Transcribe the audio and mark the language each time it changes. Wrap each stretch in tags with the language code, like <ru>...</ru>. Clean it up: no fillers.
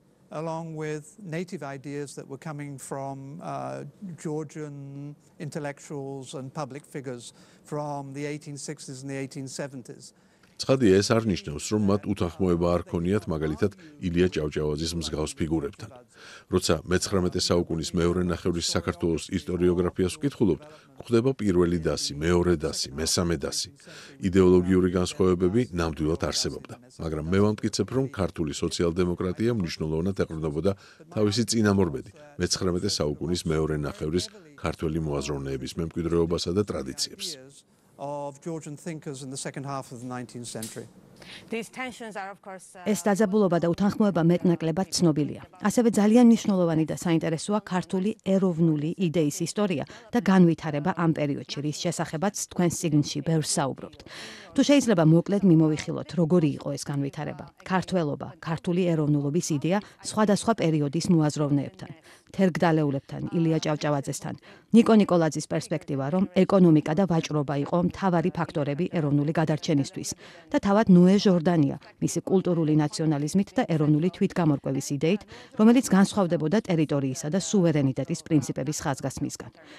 <en>Along with native ideas that were coming from Georgian intellectuals and public figures from the 1860s and the 1870s.</en> <ka>ცხადია, ეს არნიშნავს, რომ მათ უთანხმოება არ ქონიათ მაგალითად ილია ჭავჭავაძის მსგავს ფიგურებთან. როცა მე-19 საუკუნის მეორე ნახევრის საქართველოს ისტორიოგრაფიას ვკითხულობთ, გვხვდება პირველი დასი, მეორე დასი, მესამე დასი. იდეოლოგიური განსხვავებები ნამდვილად არსებობდა, მაგრამ მე ვამტკიცებ, რომ ქართული სოციალ-დემოკრატია მნიშვნელოვნად ეყრდნობოდა თავისი წინამორბედი, მე-19 საუკუნის მეორე ნახევრის ქართველი მოაზროვნეების მემკვიდრეობასა და ტრადიციებს.</ka> <en>Of Georgian thinkers in the second half of the 19th century.</en> <ka>ეს დაძაბულობა და უთანხმოება მეტნაკლებად ცნობილია. ასევე ძალიან მნიშვნელოვანი და საინტერესოა ქართული ეროვნული იდეის ისტორია და განვითარება ამ პერიოდში, რის შესახებაც თქვენ წიგნში ბევრს საუბრობთ. თუ შეიძლება მოკლედ მიმოვიხილოთ, როგორი იყო ეს განვითარება? ქართველობა, ქართული ეროვნულობის იდეა სხვადასხვა პერიოდის მოაზროვნეებთან, თერგდალეულებთან, ილია ჭავჭავაძესთან, ნიკო ნიკოლაძის პერსპექტივა, რომ ეკონომიკა და ვაჭრობა იყო მთავარი ფაქტორები ეროვნული გადარჩენისთვის, და თავად ნუე ჟორდანია, მისი კულტურული ნაციონალიზმით და ეროვნული თვითგამორკვევის იდეით, რომელიც განსხვავდებოდა ტერიტორიისა და სუვერენიტეტის პრინციპების ხაზგასმისგან.</ka>